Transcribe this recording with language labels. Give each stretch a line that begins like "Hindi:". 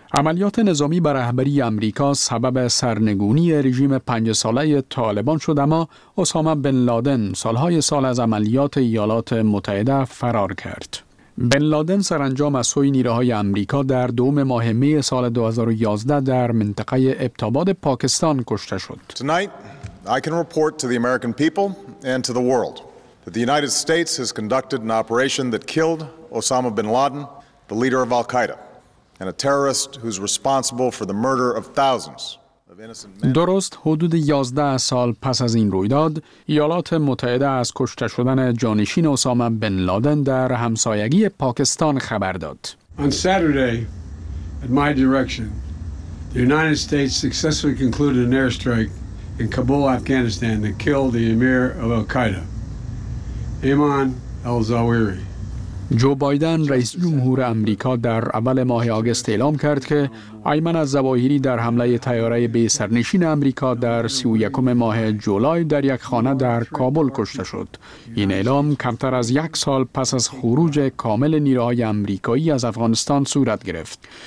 Persian: عملیات نظامی به رهبری آمریکا سبب سرنگونی رژیم 5 ساله طالبان شد، اما اسامه بن لادن سالهای سال از عملیات ایالات متحده فرار کرد. بن لادن سرانجام از سوی نیروهای آمریکا در 2 ماه می سال 2011 در منطقه ابتاباد پاکستان کشته شد.
English: Tonight I can report to the American people and to the world. The United States has conducted an operation that killed Osama bin Laden, the leader of Al-Qaeda, and a terrorist who's responsible for the murder of thousands of innocent men.
Persian: درست حدود 11 سال پس از این رویداد، ایالات متحده از کشته شدن جانشین اسامه بن لادن در همسایگی پاکستان خبر داد.
English: On Saturday, at my direction, the United States successfully concluded an airstrike in Kabul, Afghanistan that killed the emir of Al-Qaeda.
Persian: ایمان الزاویری. جو بایدن رئیس جمهور آمریکا در اول ماه آگوست اعلام کرد که ایمن الزاویری در حمله تیاره بی سرنشین آمریکا در 31 ماه جولای در یک خانه در کابل کشته شد. این اعلام کمتر از یک سال پس از خروج کامل نیروهای آمریکایی از افغانستان صورت گرفت.